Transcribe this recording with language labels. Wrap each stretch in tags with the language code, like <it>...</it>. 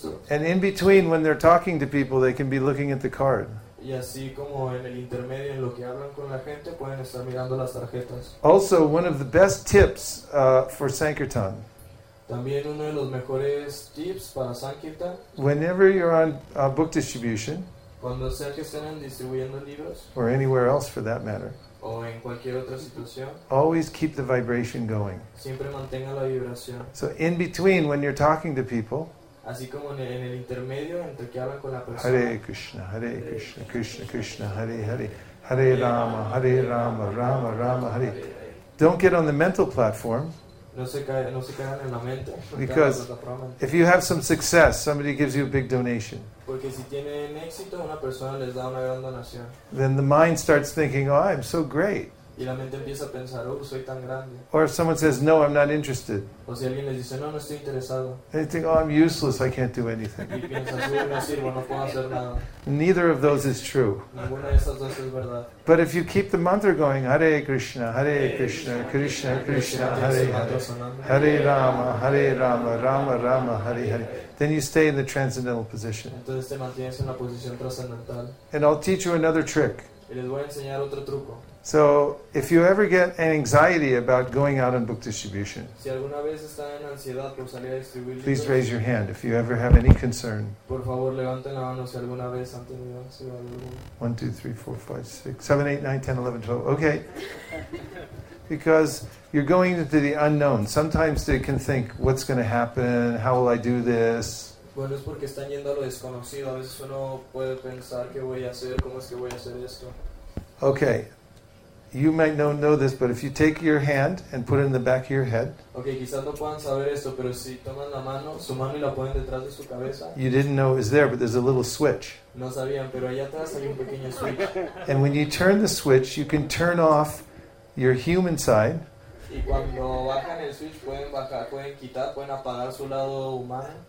<en>And in between, when they're talking to people, they can be looking at the card.</en> <es>Y así como en el intermedio en lo que hablan con la gente pueden estar mirando las tarjetas.</es> <en>Also, one of the best tips for Sankirtan.</en> <es>También uno de los mejores tips para Sankirtan.</es> <en>Whenever you're on book distribution,</en> <es>cuando sea que estén distribuyendo libros,</es> <en>or anywhere else for that matter,</en> <es>o en cualquier otra situación,</es> <en>always keep the vibration going.</en> <es>Siempre mantenga la vibración.</es> <en>So in between, when you're talking to people,</en> <es>así como en el intermedio entre que hablan con la persona.</es> <sa>Hare Krishna, Hare Krishna, Krishna Krishna, Hare Hare, Hare Rama, Hare Rama, Rama Rama, Hare.</sa> <en>Don't get on the mental platform.</en> <es>No se caigan en la mente.</es> <en>Because if you have some success, somebody gives you a big donation.</en> <es>Porque si tienen éxito, una persona les da una gran donación.</es> <en>Then the mind starts thinking, "Oh, I'm so great."</en> <es>Y la mente empieza a pensar, oh, soy tan grande.</es> <en>Or if someone says, no, I'm not interested.</en> <es>O si alguien les dice, no, no estoy interesado.</es> <en>They think, oh, I'm useless, I can't do anything.</en> <es>Y piensa, sí, no sirvo, no puedo hacer nada.</es> <en>Neither of those is true.</en> <es>Ninguna de esas dos es verdad.</es> <en>But if you keep the mantra going,</en> <sa>Hare Krishna, Hare Krishna, Krishna Krishna, Hare Hare,</sa> <en>Hare Rama, Hare Rama, Rama Rama, Hare Hare, then you stay in the transcendental position.</en> <es>Entonces te mantienes en la posición trascendental.</es> <en>And I'll teach you another trick.</en> <es>Y les voy a enseñar otro truco.</es> <en>So, if you ever get an anxiety about going out on book distribution,</en> <es>si alguna vez está en ansiedad por salir a distribuir libros,</es> <en>please raise your hand if you ever have any concern.</en> <es>Por favor, levanten la mano si alguna vez han tenido ansiedad.</es> <en>1, 2, 3, 4, 5, 6, 7, 8, 9, 10, 11, 12. Okay. Because you're going into the unknown. Sometimes they can think, what's going to happen? How will I do this?</en> <es>Bueno, es porque están yendo a lo desconocido. A veces uno puede pensar, ¿qué voy a hacer? ¿Cómo es que voy a hacer esto?</es> <en>Okay. You might not know this, but if you take your hand and put it in the back of your head,</en> <es>okay, quizás no puedan saber esto, pero si toman la mano, su mano y la ponen detrás de su cabeza,</es> <en>you didn't know it was there, but there's a little switch.</en> <es>No sabían, pero allá atrás hay un pequeño switch.</es> <en>And when you turn the switch, you can turn off your human side.</en> <es>Y cuando bajan el switch pueden bajar, pueden quitar, pueden apagar su lado humano.</es>